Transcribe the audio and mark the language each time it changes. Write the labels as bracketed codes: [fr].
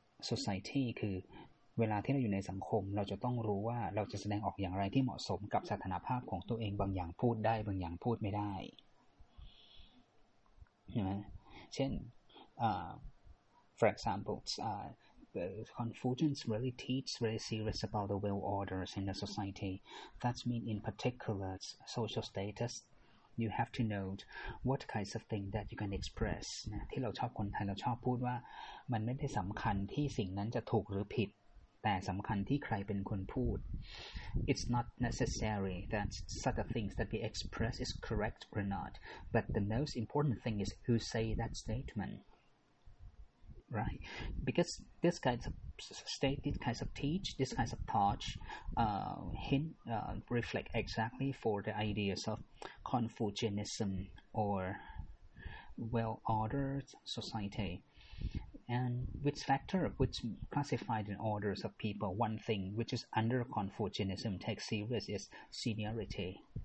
[th] society คือเวลาที่เราอยู่ในสังคมเราจะต้องรู้ว่าเราจะแสดงออกอย่างไรที่เหมาะสมกับสถานภาพของตัวเองบางอย่างพูดได้บางอย่างพูดไม่ได้เช่น [en] for example the Confucians really teach really serious about the well orders in the society. That means in particular social status, you have to know what kinds of thing that you can express. [th] ที่เราชอบคนไทยเราชอบพูดว่ามันไม่ได้สำคัญที่สิ่งนั้นจะถูกหรือผิดแต่สำคัญที่ใครเป็นคนพูด [en] It's not necessary that such a things that we express is correct or not, but the most important thing is who say that statement, right? Because this kind of state, this kind of teach, this kind of touch, hint, reflect exactly for the ideas of Confucianism or well-ordered society. And which factor, which classified in orders of people, one thing which is under Confucianism takes serious is seniority.